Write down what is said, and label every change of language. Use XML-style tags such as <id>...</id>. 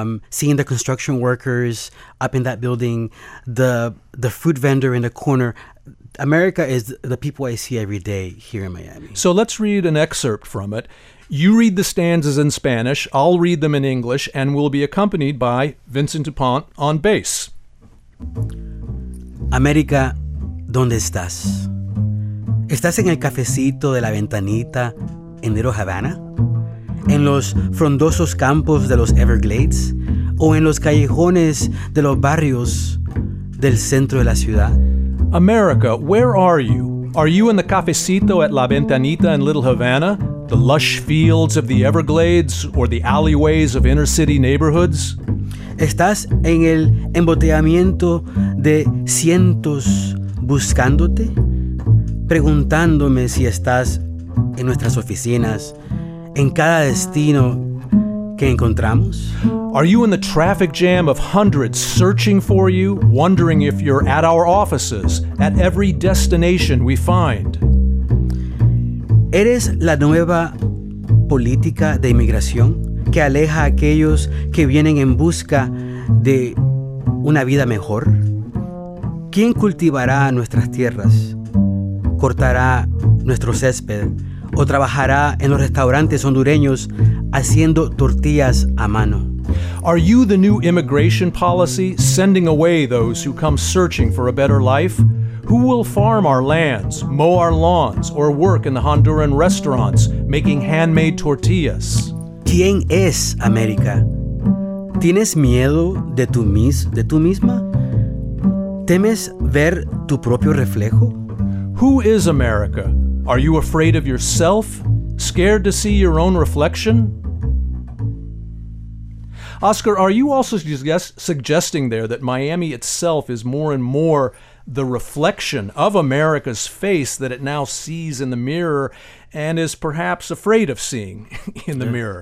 <en>Seeing the construction workers up in that building, the fruit vendor in the corner. America is the people I see every day here in Miami. So let's read an excerpt from it. You read the stanzas in Spanish, I'll read them in English, and we'll be accompanied by Vincent DuPont on bass.</en> <es>America, ¿dónde estás? ¿Estás en el cafecito de la ventanita en Little Havana? ¿En los frondosos campos de los Everglades? ¿O en los callejones de los barrios del centro de la ciudad?</es> <en>America, where are you? Are you in the cafecito at La Ventanita in Little Havana? The lush fields of the Everglades or the alleyways of inner city neighborhoods?</en> <es>¿Estás en el embotellamiento de cientos buscándote? Preguntándome si estás en nuestras oficinas. En cada destino que encontramos?</es> <en>Are you in the traffic jam of hundreds searching for you, wondering if you're at our offices, at every destination we find?</en> <es>¿Eres la nueva política de inmigración que aleja a aquellos que vienen en busca de una vida mejor? ¿Quién cultivará nuestras tierras? ¿Cortará nuestro césped? o trabajará en los restaurantes hondureños haciendo tortillas a mano.</es> <en>Are you the new immigration policy, sending away those who come searching for a better life? Who will farm our lands, mow our lawns, or work in the Honduran restaurants making handmade tortillas?</en> <es>¿Quién es América? ¿Tienes miedo de tú misma? ¿Temes ver tu propio reflejo?</es> <en>Who is America? Are you afraid of yourself? Scared to see your own reflection? Oscar, are you also suggesting there that Miami itself is more and more the reflection of America's face that it now sees in the mirror and is perhaps afraid of seeing in the mirror?</en>